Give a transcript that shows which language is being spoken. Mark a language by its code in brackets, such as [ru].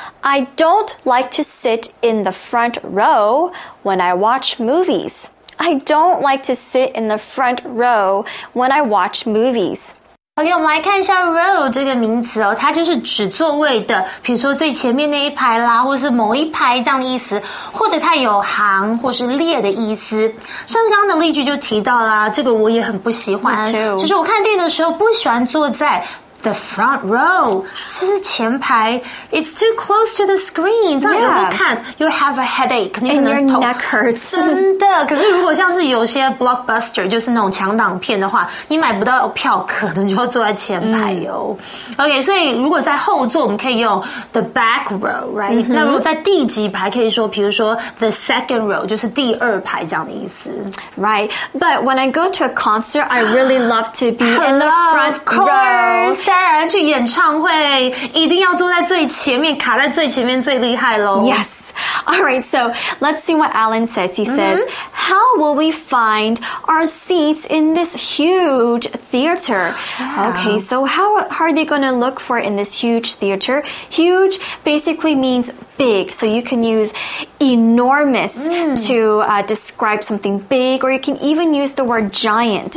[en] I don't like to sit in the front row when I watch movies. I don't like to sit in the front row when I watch movies. [zh] OK, 我们来看一下 row 这个名词哦，它就是指座位的，比如说最前面那一排啦，或是某一排这样的意思，或者它有行或是列的意思。像刚刚的例句就提到啦，这个我也很不喜欢，就是我看电影的时候不喜欢坐在 [en] The front row, [zh] 就是前排 [en] it's too close to the screen, [zh] 这样有时候看 [en] you have a headache, and your neck hurts. [zh] 真的，可是如果像是有些 blockbuster, 就是那种强档片的话，你买不到票可能就要坐在前排哟。 OK, 所以如果在后座我们可以用 [en] the back row, right?、 [zh] Mm-hmm. 那如果在第几排可以说比如说 [en] the second row, [zh] 就是第二排这样的意思。 [en] Right, but when I go to a concert, I really love to be in the front row. [zh] 当然去演唱会一定要坐在最前面卡在最前面最厉害咯 [en] Yes Alright, so let's see what Alan says. He says, How will we find our seats in this huge theater? Yeah. Okay, so how are they going to look for it in this huge theater? Huge basically means big. So you can use enormous to describe something big, or you can even use the word giant.